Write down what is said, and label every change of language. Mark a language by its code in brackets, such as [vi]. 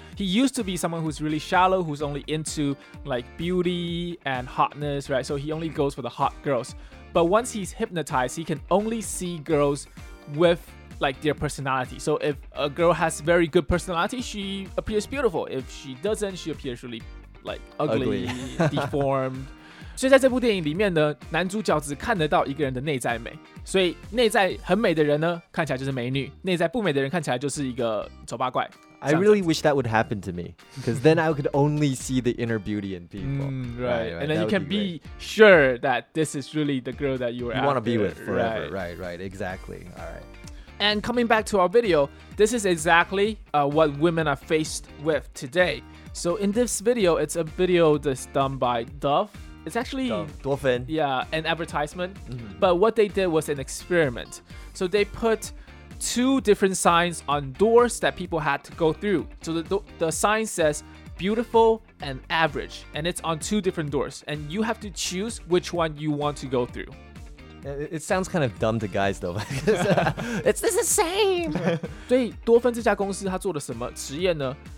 [en] He used to be someone who's really shallow, who's only into like beauty and hotness, right? So he only goes for the hot girls. But once he's hypnotized, he can only see girls with like their personality. So if a girl has very good personality, she appears beautiful. If she doesn't, she appears really like ugly. Deformed. [zh] 所以在这部电影里面呢, 男主角只看得到一个人的内在美, 所以内在很美的人呢, 看起来就是美女, 内在不美的人看起来就是一个丑八怪, 这样子。 [en] I really wish that would happen to me, because then I could only see the inner beauty in people. Right, and then that you can be sure that this is really the girl that you were you after. You want to be with forever, right, exactly. All right. And coming back to our video, this is exactly what women are faced with today. So in this video, it's a video that's done by Dove. It's actually Dolphin. Yeah, an advertisement. Mm-hmm. But what they did was an experiment. So they put two different signs on doors that people had to go through. So the sign says beautiful and average, and it's on two different doors, and you have to choose which one you want to go through. It sounds kind of dumb to guys though. it's the same. [zh] 所以多芬这家公司他做了什么实验呢?